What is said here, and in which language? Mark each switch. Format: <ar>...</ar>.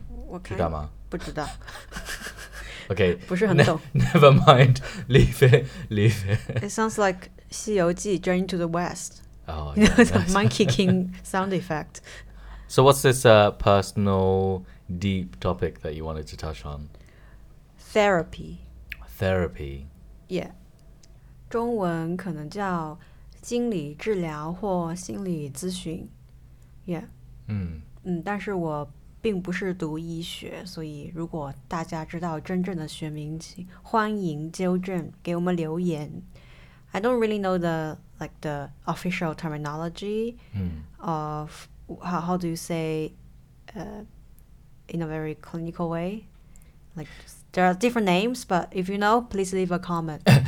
<en>Okay. Never mind. Leave it. It sounds like 西游记 Journey to the West. Oh, yeah, the Monkey King sound effect. So what's this personal deep topic that you wanted to touch on? Therapy. Yeah.</en> <zh>中文可能叫心理治疗或心理咨询。</zh> <en>Yeah.</en> <zh>但是我并不是读医学，所以如果大家知道真正的学名，请欢迎纠正，给我们留言。</zh> <en>I don't really know the official terminology of how do you say in a very clinical way. There are different names, but if you know, please leave a comment.</en>